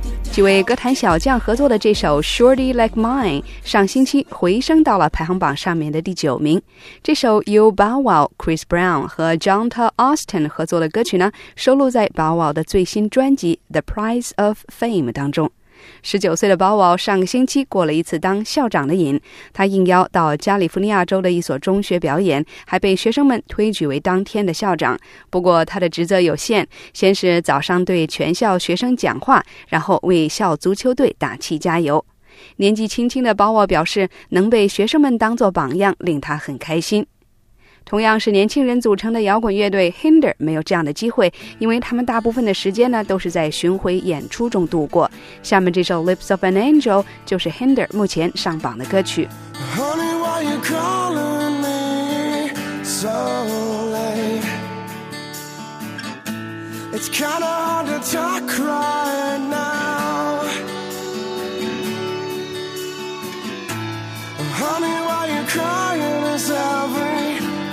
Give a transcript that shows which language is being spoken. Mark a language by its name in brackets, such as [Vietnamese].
[Chinese] 几位歌坛小将合作的这首 Shorty Like Mine 上星期回升到了排行榜上面的第九名。这首 You Bow Wow Chris Brown 和 Jonta Austin 合作的歌曲呢，收录在 Bow Wow 的最新专辑 The Price of Fame 当中。 19岁的 Bow Wow 上个星期过了一次当校长的瘾，他应邀到加利福尼亚州的一所中学表演，还被学生们推举为当天的校长。不过他的职责有限，先是早上对全校学生讲话，然后为校足球队打气加油。年纪轻轻的 Bow Wow 表示，能被学生们当作榜样令他很开心。同样是年轻人组成的摇滚乐队 Hinder 没有这样的机会，因为他们大部分的时间呢都是在巡回演出中度过。下面这首 Lips of an Angel 就是 Hinder 目前上榜的歌曲。 [English] Honey, why are you calling me so late? It's kind of hard to talk right now. Honey, why are you crying this evening?